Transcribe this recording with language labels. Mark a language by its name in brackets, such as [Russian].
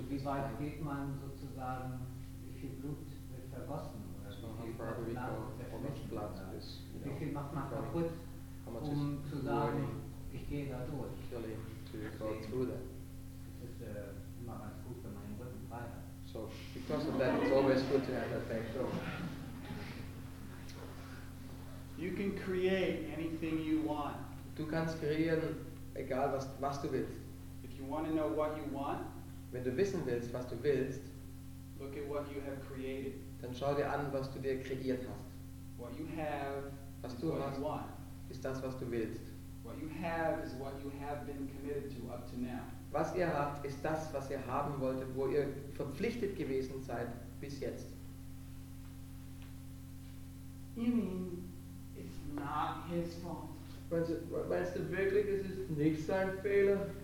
[German] Und wie weit geht man sozusagen, wie viel Blut wird vergossen? Oder wie viel Blut wird vergossen? Wie viel macht man kaputt? Um zu sagen, ich gehe da durch. Es ist immer ganz gut, wenn man den Rücken frei hat. [English] So, because of that, it's always good to have that back door. You can create anything you want. [German] Du kannst kreieren, egal was du willst. [English] If you want to know what you want, [German] wenn du wissen willst, was du willst, [English] look at what you have created. [German] Dann schau dir an, was du dir kreiert hast. [English] What you have, [German] was du hast, [English] what you want. [German] Ist das, was du willst. [English] What you have is what you have been committed to up to now. [German] Was ihr habt, ist das, was ihr haben wolltet, wo ihr verpflichtet gewesen seid bis jetzt. [English] You mean it's not his fault? [German] Meinst du wirklich, es ist nicht sein Fehler?